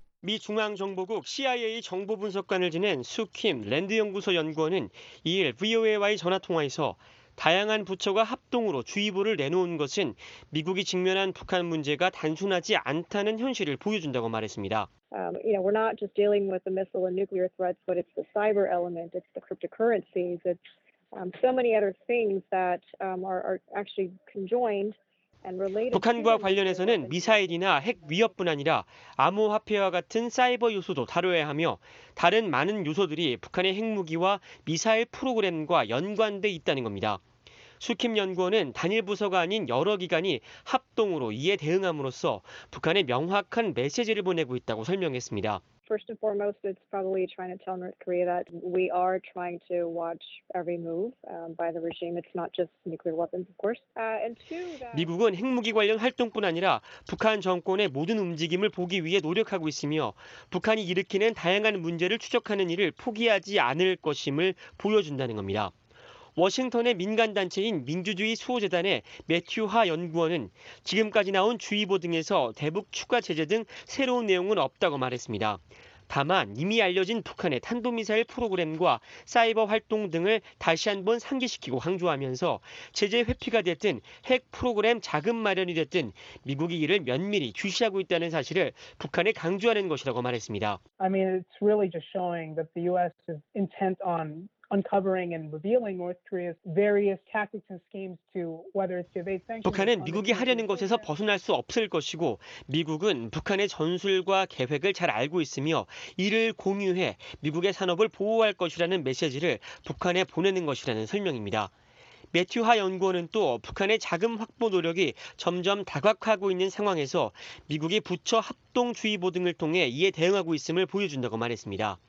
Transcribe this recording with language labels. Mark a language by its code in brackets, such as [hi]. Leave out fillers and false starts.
[ko] 미 중앙정보국 CIA 정보분석관을 지낸 수킴 랜드연구소 연구원은 2일 VOA와의 전화통화에서 다양한 부처가 합동으로 주의보를 내놓은 것은 미국이 직면한 북한 문제가 단순하지 않다는 현실을 보여준다고 말했습니다. [en] We're not just dealing with the missile and nuclear threats, but it's the cyber element, it's the cryptocurrencies, it's so many other things that are actually conjoined. [ko] 북한과 관련해서는 미사일이나 핵 위협뿐 아니라 암호화폐와 같은 사이버 요소도 다뤄야 하며 다른 많은 요소들이 북한의 핵무기와 미사일 프로그램과 연관돼 있다는 겁니다. 수킴 연구원은 단일 부서가 아닌 여러 기관이 합동으로 이에 대응함으로써 북한에 명확한 메시지를 보내고 있다고 설명했습니다. [en] First and foremost, it's probably trying to tell North Korea that we are trying to watch every move by the regime. It's not just nuclear weapons, of course. And two, [ko] 미국은 핵무기 관련 활동뿐 아니라 북한 정권의 모든 움직임을 보기 위해 노력하고 있으며 북한이 일으키는 다양한 문제를 추적하는 일을 포기하지 않을 것임을 보여준다는 겁니다. 워싱턴의 민간단체인 민주주의 수호재단의 매튜 하 연구원은 지금까지 나온 주의보 등에서 대북 추가 제재 등 새로운 내용은 없다고 말했습니다. 다만 이미 알려진 북한의 탄도미사일 프로그램과 사이버 활동 등을 다시 한번 상기시키고 강조하면서 제재 회피가 됐든 핵 프로그램 자금 마련이 됐든 미국이 이를 면밀히 주시하고 있다는 사실을 북한에 강조하는 것이라고 말했습니다. [en] I mean, it's really just showing that the U.S. is intent on uncovering and revealing North Korea's various tactics and schemes to whether it's evade sanctions. [ko] 북한은 미국이 하려는 것에서 벗어날 수 없을 것이고 미국은 북한의 전술과 계획을 잘 알고 있으며 이를 공유해 미국의 산업을 보호할 것이라는 메시지를 북한에 보내는 것이라는 설명입니다. 매튜 하 연구원은 또 북한의 자금 확보 노력이 점점 다각화하고 있는 상황에서 미국이 부처 합동 주의보 등을 통해 이에 대응하고 있음을 보여준다고 말했습니다.